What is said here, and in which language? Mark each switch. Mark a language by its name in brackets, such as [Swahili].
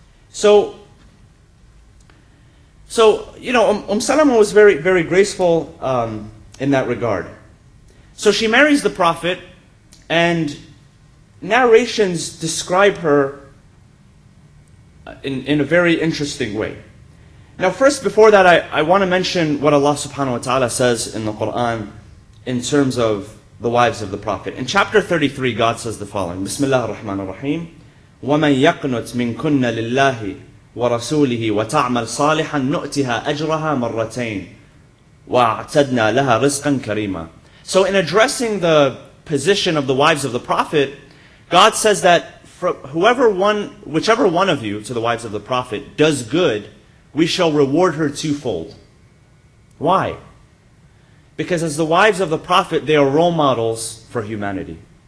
[English] So you know, Salama was very, very graceful in that regard. So she marries the prophet, And narrations describe her in a very interesting way. Now, first, before that, I want to mention what Allah subhanahu wa ta'ala says in the Quran in terms of the wives of the Prophet. In chapter 33, God says the following, [Arabic] Bismillah ar-Rahman ar-Rahim, وَمَنْ يَقْنُتْ مِنْكُنَّ لِلَّهِ وَرَسُولِهِ وَتَعْمَلْ صَالِحًا نُؤْتِهَا أَجْرَهَا مَرَّتَيْنِ وَأَعْتَدْنَا لَهَا رِزْقًا كَرِيمًا. [English] So in addressing the position of the wives of the Prophet, God says that whichever one of you to the wives of the Prophet does good, we shall reward her twofold. Why? Because as the wives of the Prophet, they are role models for humanity.